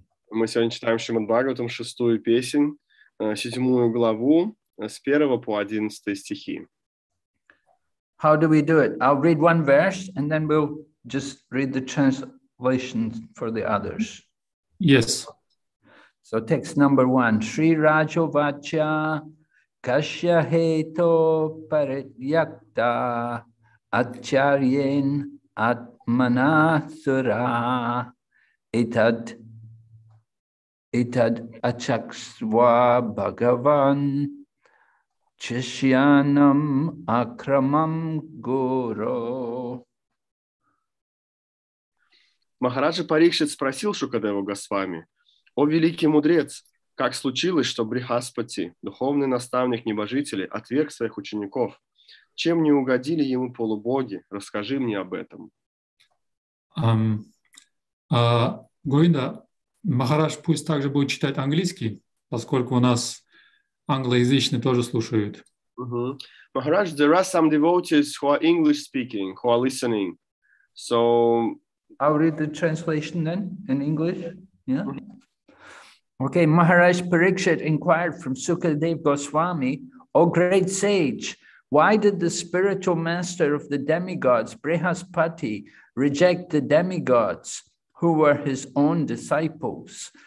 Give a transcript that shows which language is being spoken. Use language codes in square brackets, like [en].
[ru] Мы сегодня читаем Шримад Бхагаватам, шестую песнь, седьмую главу, с первого по одиннадцатой стихи. [en] How do we do it? I'll read one verse, and then we'll just read the translation for the others. Yes. [sa] So text number one, Sri Rajovacha Kasya Heto Paryakta Acharyen At Mana sura itad achakswa bhagavan chishyanam akramam guru. [ru] Махараджа Парикшит спросил Шукадеву Госвами: «О великий мудрец, как случилось, что Брихаспати, духовный наставник небожителей, отверг своих учеников? Чем не угодили ему полубоги? Расскажи мне об этом». Говинда, Махарадж пусть также будет читать английский, поскольку у нас англоязычные тоже слушают. [en] Махарадж, there are some devotees who are English speaking, who are listening. So I'll read the translation then in English. Yeah. Okay, Maharaj Parikshit inquired from Sukadev Goswami, O great sage, why did the spiritual master of the demigods, Brihaspati, reject the demigods who were his own disciples?